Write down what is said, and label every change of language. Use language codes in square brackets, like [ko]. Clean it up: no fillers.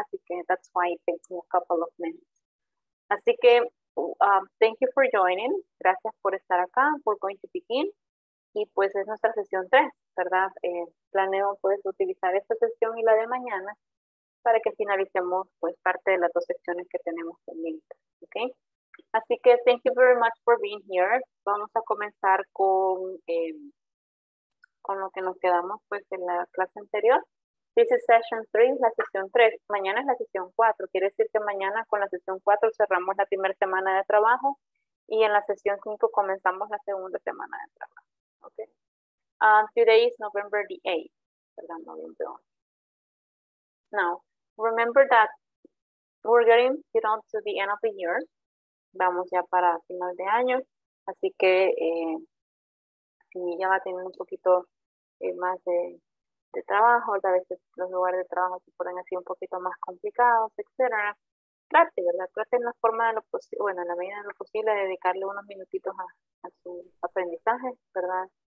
[es] Así que [en] that's why it takes me a couple of minutes. Así que thank you for joining. [es] Gracias por estar acá. [en] We're going to begin. [es] Y pues es nuestra sesión 3, ¿verdad? Planeo pues utilizar esta sesión y la de mañana para que finalicemos pues parte de las dos sesiones que tenemos pendientes. ¿Okay? Así que [en] thank you very much for being here. [es] Vamos a comenzar con lo que nos quedamos pues en la clase anterior. [en] This is session 3, [es] la sesión 3. Mañana es la sesión 4. Quiere decir que mañana con la sesión 4 cerramos la primera semana de trabajo y en la sesión 5 comenzamos la segunda semana de trabajo. [en] Okay. Today is November the 8th. [es] Perdón, noviembre 8. [en] Now, remember that we're getting, you know, to the end of the year. [es] Vamos ya para final de año. Así que ya va a tener un poquito más de trabajo, a veces los lugares de trabajo se ponen así un poquito más complicados, etcétera. Trate, ¿verdad? Trate en la forma de lo posible, bueno, en la medida de lo posible, dedicarle unos minutitos a su aprendizaje, ¿verdad?